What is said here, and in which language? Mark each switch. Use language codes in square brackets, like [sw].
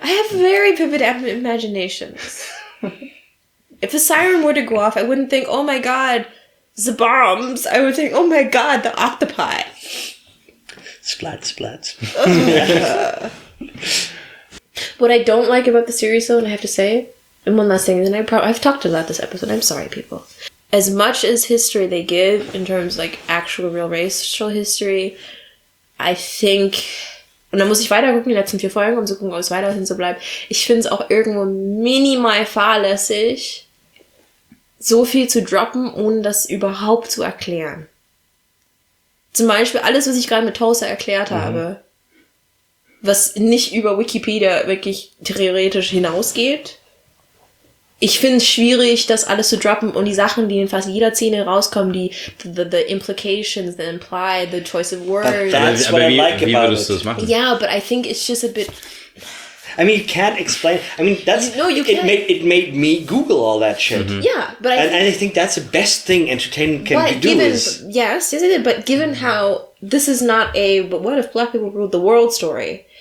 [en] I have very vivid imaginations. If a siren were to go off, I wouldn't think, oh my god, the bombs. I would think, oh my god, the octopi. Splat, splat. What I don't like about the series, though, and I have to say, and one last thing, and I've talked about this episode, I'm sorry, people. As much as history they give in terms of, like, actual real racial history, I think, [de] und dann muss ich weiter gucken, die letzten vier Folgen, um zu gucken, ob es weiterhin so bleibt. Ich finde es auch irgendwo minimal fahrlässig, so viel zu droppen, ohne das überhaupt zu erklären. Zum Beispiel alles, was ich gerade mit Tulsa erklärt habe, was nicht über Wikipedia wirklich theoretisch hinausgeht. Ich finde es schwierig, das alles zu droppen und die Sachen, die in fast jeder Szene rauskommen, die [en] the implications, the imply, the choice of words. But that's what I like about it. Yeah, but I think it's just a bit... I mean, you can't explain... I mean, that's... No, you can't. It made me Google all that shit. Mm-hmm. Yeah, but And I think that's the best thing entertainment can do is... Yes, isn't it? But given how this is not a... But what if black people ruled the world story?